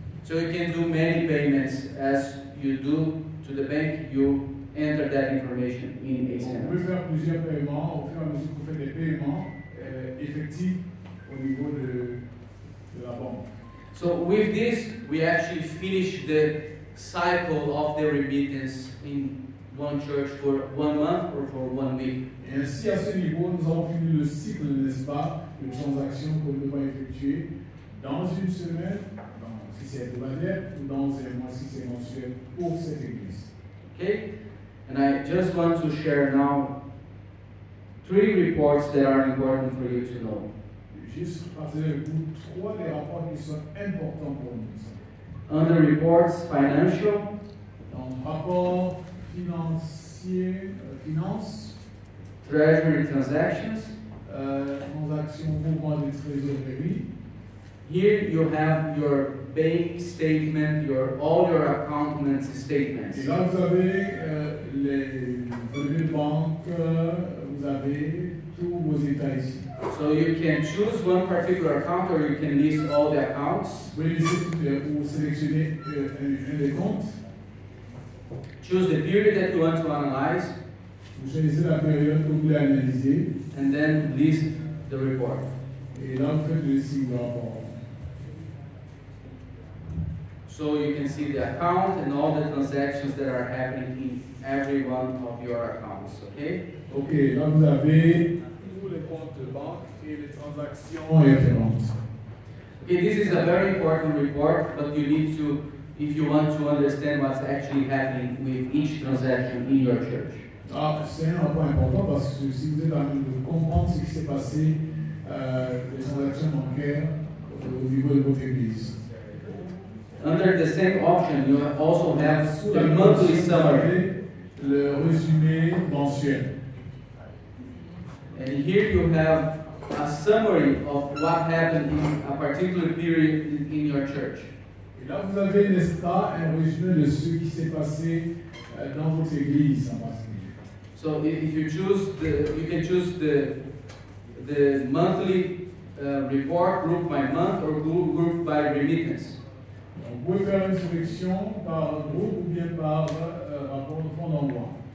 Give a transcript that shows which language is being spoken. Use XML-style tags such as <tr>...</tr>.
<en>So, you can do many payments as you do to the bank. You enter that information in ACMS.</en> <fr>On peut faire plusieurs paiements au fur et à mesure qu'on fait des paiements effectifs au niveau de la banque.</fr> <en>So with this, we actually finish the cycle of the remittance in one church for 1 month or for 1 week.</en> <fr>Et ainsi, à ce niveau, nous avons fini le cycle, n'est-ce pas, de transactions qu'on devrait effectuer dans une semaine, si c'est hebdomadaire, ou dans un mois, si c'est mensuel, pour cette église.</fr> <en>Okay? And I just want to share now three reports that are important for you to know.</en> <fr>Juste partager avec vous trois des rapports qui sont importants pour nous.</fr> <en>Under reports financial.</en> <fr>Donc rapport financier, finance.</fr> <en>Treasury transactions.</en> <fr>Transactions mouvement de trésorerie.</fr> <en>Here you have your bank statement, all your accountant statements.</en> <fr>Et là vous avez les revenus de banque, vous avez tous vos états ici.</fr> <en>So you can choose one particular account or you can list all the accounts.</en> <fr>Vous sélectionnez un des comptes.</fr> <en>Choose the period that you want to analyze.</en> <fr>Vous choisissez la période que vous voulez analyser.</fr> <en>And then list the report.</en> <fr>Et là vous faites le signe de rapport.</fr> <en>So you can see the account and all the transactions that are happening in every one of your accounts, okay?</en> <fr>Okay, là vous avez tous les comptes de banque et les transactions référentes.</fr> <en>Okay, this is a very important report, but you need to, if you want to understand what's actually happening with each transaction in your church.</en> <fr>Ah, c'est un point important parce que si vous êtes à comprendre ce qui s'est passé, les transactions bancaires au niveau de votre église.</fr> <en>Under the same option, you also have the monthly summary.</en> <fr>Le résumé mensuel.</fr> <en>And here you have a summary of what happened in a particular period in your church.</en> <fr>Et là, vous avez, n'est-ce pas, un résumé de ce qui s'est passé dans votre église en particulier.</fr> <en>So if you choose the, you can choose the monthly report, group by month, or group by remittance.</en> <fr>Vous pouvez faire une sélection par groupe ou bien par rapport de fonds d'envoi.</fr>